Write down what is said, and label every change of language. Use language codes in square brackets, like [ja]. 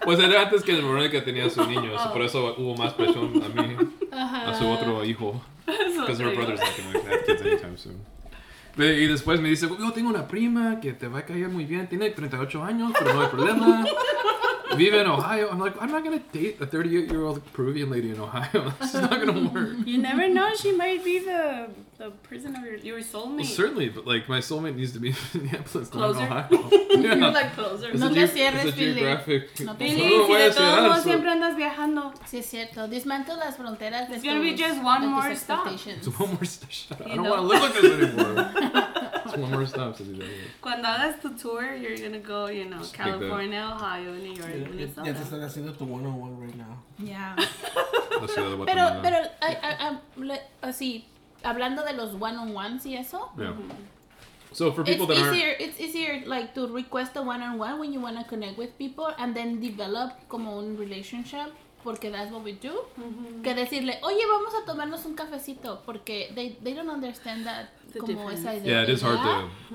[es] Pues era antes que Veronica tenía a su niño. So por eso hubo más presión a mí. Uh-huh. A su otro hijo. [en] Because her brother's not going to have kids anytime soon. [es] Y después me dice, yo tengo una prima que te va a caer muy bien. Tiene 38 años, pero no hay problema. Vive en Ohio. [en] I'm like, I'm not going to date a 38-year-old Peruvian lady in Ohio. This is not going to work. You never know. She might be the prison of your soulmate. Well, certainly, but like my soulmate needs to be in Minneapolis, closer. Not in Ohio. Yeah. You're like closer. [es] No te cierres, Billy. [en] It's a geographic... [es] Billy, no, si de todo modo siempre andas viajando. Sí, es cierto. Dismantle las fronteras. [en] It's going to be just one more stop. It's one more stop. I don't want to look like this anymore. It's one more stop. [es] Cuando hagas tu tour, [en] you're going to go, California, Ohio, New York. [es] Ya te están haciendo tu 101 [en] right now. Yeah. [es] pero así, hablando de los 101s y eso. [en] Yeah. So for people it's easier like to request a 101 when you want to connect with people and then develop [es] como un [en] relationship, [es] porque [en] that's what we do. [es] Mm-hmm. Que decirle, oye, vamos a tomarnos un cafecito, porque [en] they don't understand that. Yeah, it is hard to.